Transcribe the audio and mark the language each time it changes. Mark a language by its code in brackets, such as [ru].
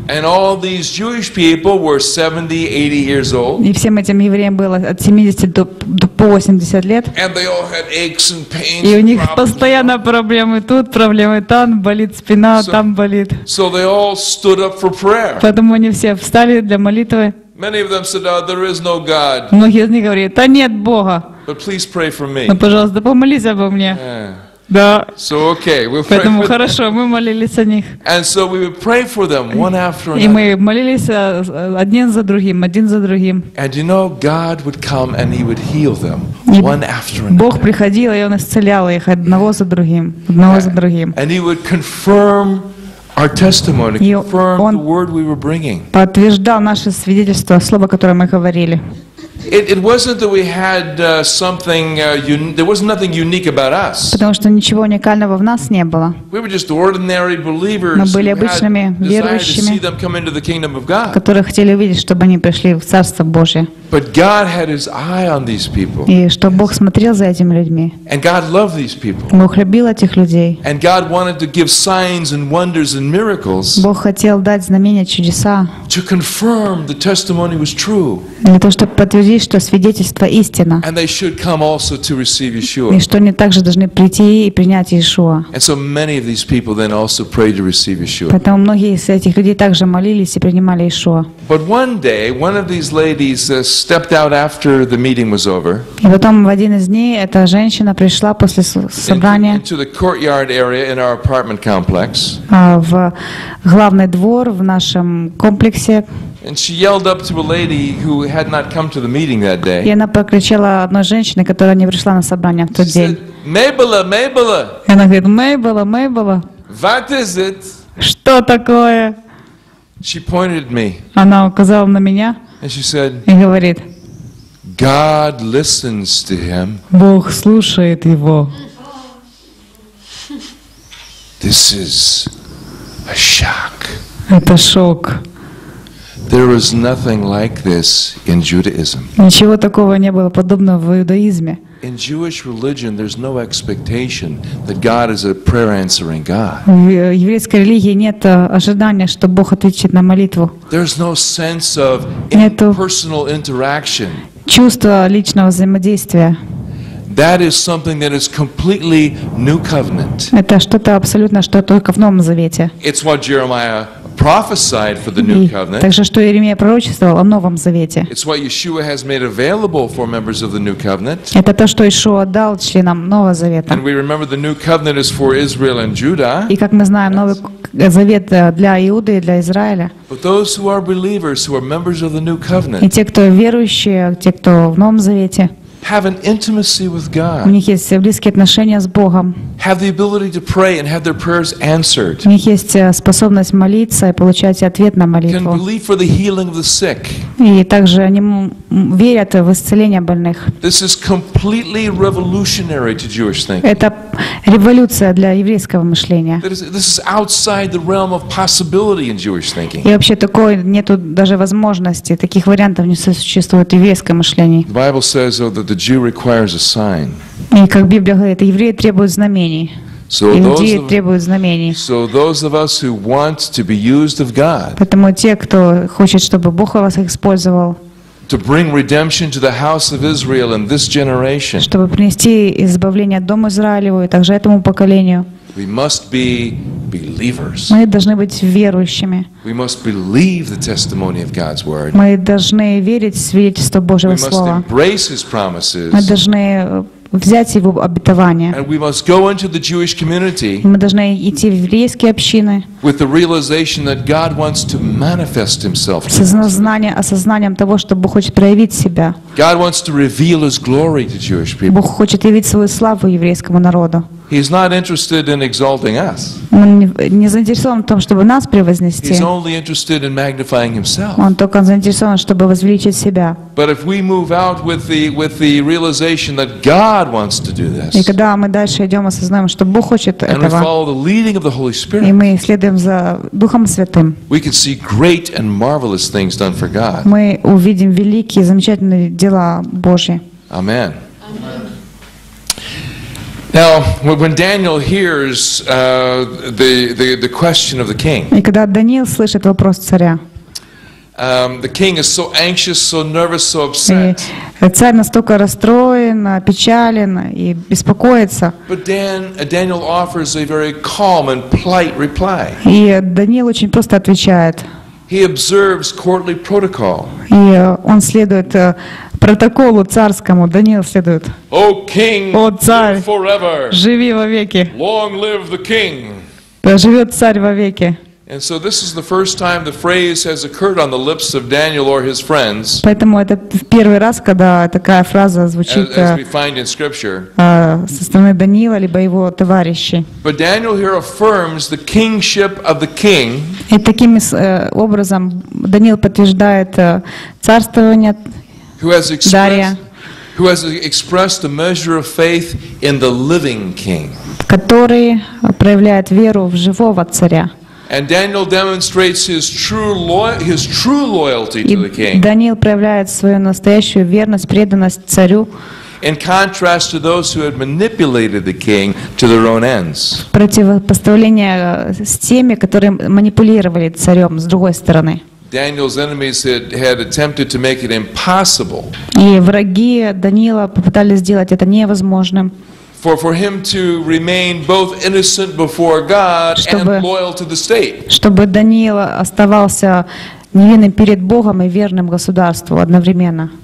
[en] And all these Jewish people were 70-80 years old. [ru] И всем этим евреям было от 70 до 80 лет. [en] And they all had aches and pains. [ru] И у них постоянно проблемы тут, проблемы там, болит спина, там болит. [en] So they all stood up for prayer. [ru] Поэтому они все встали для молитвы. [en] Many of them said, "Oh, there is no God." [ru] Многие из них говорили: "Да нет Бога." [en] But please pray for me. [ru] Но, пожалуйста, помолись обо мне. [en] Yeah. [ru] Да. [en] So, okay, we'll pray [ru] Поэтому хорошо, мы молились о них. [en] And so we would pray for them one after another. [ru] И мы молились один за другим, один за другим. [en] And you know, God would come and He would heal them one after another. [ru] Бог приходил, и Он исцелял их одного за другим, одного за другим. [en] And He would confirm our testimony, confirm the word we were bringing. [ru] Подтверждал наше свидетельство, слово, которое мы говорили. [en] It wasn't that we had something. There was nothing unique about us. [ru] Потому что ничего уникального в нас не было. [en] We were just ordinary believers. [ru] Мы были обычными верующими, [en] desire to see them come into the kingdom of God. [ru] Которые хотели увидеть, чтобы они пришли в Царство Божие. [en] But God had His eye on these people. [ru] И что Бог смотрел за этими людьми. [en] And God loved these people. [ru] Бог любил этих людей. [en] And God wanted to give signs and wonders and miracles. [ru] Бог хотел дать знамения, чудеса. [en] To confirm the testimony was true. [ru] Для того, чтобы подтвердить, что свидетельство истина. [en] And they should come also to receive Yeshua. [ru] И что они также должны прийти и принять Иешуа. [en] And so many of these people then also prayed to receive Yeshua. [ru] Поэтому многие из этих людей также молились и принимали Иешуа. [en] But one day, one of these ladies stepped out after the meeting was over. [ru] И потом в один из дней эта женщина пришла после собрания. [en] Into the courtyard area in our apartment complex. [ru] В главный двор в нашем комплексе. [en] And she yelled up to a lady who had not come to the meeting that day. [ru] И она прокричала одной женщине, которая не пришла на собрание в тот день. Мейбела, Мейбела. Она говорит: Мейбела, Мейбела. [en] What is it? [ru] Что такое? [en] She pointed at me. [ru] Она указала на меня. [en] And she said, [ru] и говорит, [en] God listens to him. [ru] Бог слушает его. [en] This is a shock. [ru] Это шок. [en] There was nothing like this in Judaism. [ru] Ничего такого не было подобного в иудаизме. [en] In Jewish religion, there's no expectation that God is a prayer-answering God. [ru] В еврейской религии нет ожидания, что Бог ответит на молитву. [en] There's no sense of personal interaction. [ru] Чувство личного взаимодействия. [en] That is something that is completely new covenant. [ru] Это что-то абсолютно, что только в Новом Завете. [en] It's what Jeremiah prophesied for the new covenant. [ru] Также что Иеремия пророчествовал о Новом Завете. [en] It's what Yeshua has made available for members of the new covenant. [ru] Это то, что Иешуа дал членам Нового Завета. [en] And we remember the new covenant is for Israel and Judah. [ru] И как мы знаем, Новый Завет для Иуды и для Израиля. [en] But those who are believers, who are members of the new covenant. [ru] И те, кто верующие, те, кто в Новом Завете. [en] Have an intimacy with God. [ru] У них есть близкие отношения с Богом. [en] Have the ability to pray and have their prayers answered. [ru] У них есть способность молиться и получать ответ на молитву. [en] Can believe for the healing of the sick. [ru] И также они верят в исцеление больных. [en] This is completely revolutionary to Jewish thinking. [ru] Это революция для еврейского мышления. [en] This is outside the realm of possibility in Jewish thinking. [ru] И вообще такое нету даже возможности, таких вариантов не существует в еврейском мышлении. [en] The Bible says that the Jew requires a sign. [ru] И как Библия говорит, евреи требуют знамений. Иудеи требуют знамений. [en] So those of us who want to be used of God. [ru] Поэтому те, кто хочет, чтобы Бог вас использовал. [en] To bring redemption to the house of Israel in this generation. [ru] Чтобы принести избавление дому Израилеву и также этому поколению. [en] We must be believers. [ru] Мы должны быть верующими. [en] We must believe the testimony of God's word. [ru] Мы должны верить в свидетельство Божьего слова. [en] We must embrace His promises. [ru] Мы должны взять Его обетование. [en] And we must go into the Jewish community. [ru] Мы должны идти в еврейские общины. [en] With the realization that God wants to manifest Himself. [ru] С осознанием того, что Бог хочет проявить себя. [en] God wants to reveal His glory to Jewish people. [ru] Бог хочет явить свою славу еврейскому народу. [en] He's not interested in exalting us. [ru] Он не заинтересован в том, чтобы нас превознести. [en] He's only interested in magnifying himself. [ru] Он только заинтересован, чтобы возвеличить себя. [en] But if we move out with the realization that God wants to do this. [ru] И когда мы дальше идем, осознаем, что Бог хочет этого. [en] And we follow the leading of the Holy Spirit. [ru] И мы следуем за Духом Святым. [en] We can see great and marvelous things done for God. [ru] Мы увидим великие, замечательные дела Божьи. [en] Amen. Now, when Daniel hears the question of the king, [ru] и когда Даниил слышит вопрос царя, [en] the king is so anxious, so nervous, so upset. [ru] Царь настолько расстроен, печален и беспокоится. [en] But Daniel offers a very calm and polite reply. [ru] И Даниил очень просто отвечает. [en] He observes courtly protocol. [ru] И он следует протоколу царскому Даниил следует. [en] О, king, [ru] о царь, [en] forever. [ru] Живи вовеки. [en] Long live the king. [ru] Да живет царь вовеки. [en] And so this is the first time the phrase has occurred on the lips of Daniel or his friends. [ru] Поэтому это первый раз, когда такая фраза звучит. [en] As we find in scripture. [ru] Со стороны Даниила либо его товарищей. [en] But Daniel here affirms the kingship of the king. [ru] И таким образом Даниил подтверждает царствование Дария. [en] Who has expressed a measure of faith in the living king. [ru] Который проявляет веру в живого царя. [en] And Daniel demonstrates his true loyalty to the king. [ru] Даниил проявляет свою настоящую верность, преданность царю. [en] In contrast to those who had manipulated the king to their own ends. [ru] Противопоставление с теми, которые манипулировали царем с другой стороны. [en] Daniel's enemies had attempted to make it impossible. [ru] И враги Даниила попытались сделать это невозможным. [en] For him to remain both innocent before God and loyal to the state. [ru] Чтобы Даниил оставался невинным перед Богом и верным государству одновременно.